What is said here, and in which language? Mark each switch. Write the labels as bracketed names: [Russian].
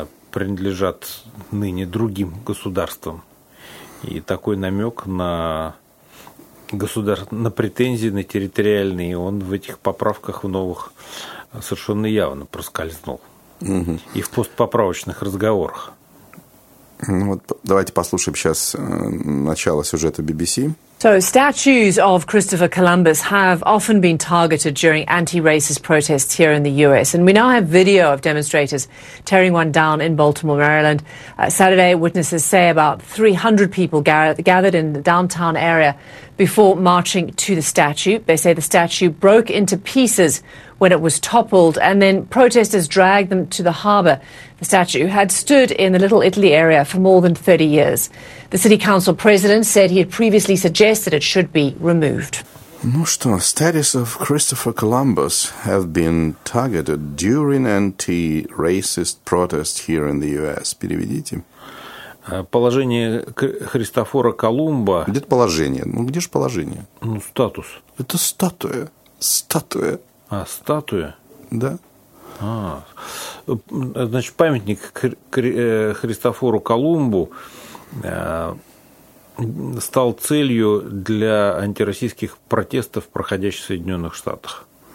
[Russian] принадлежат ныне другим государствам. И такой намек на претензии на территориальные, он в этих поправках в новых совершенно явно проскользнул. Угу. И в постпоправочных разговорах. Ну вот, давайте послушаем сейчас начало сюжета BBC. [English] So statues of Christopher Columbus have often been targeted during anti-racist protests here in the US. And we now have video of demonstrators tearing one down in Baltimore, Maryland. Saturday, witnesses say about 300 people gathered in the downtown area before marching to the statue. They say the statue broke into pieces when it was toppled, and then protesters dragged them to the harbor. The statue had stood in the Little Italy area for more than 30 years. The city council president said he had previously suggested it should be removed. [Russian] Ну что, [English] statues of Christopher Columbus have been targeted during anti-racist protests here in the US. [Russian] Переведите. Положение Христофора Колумба. Где положение? Ну где же положение? Ну статус. Это статуя. Статуя. А, статуя? Да. А, значит, памятник Христофору Колумбу стал целью для антироссийских протестов, проходящих в Соединенных Штатах.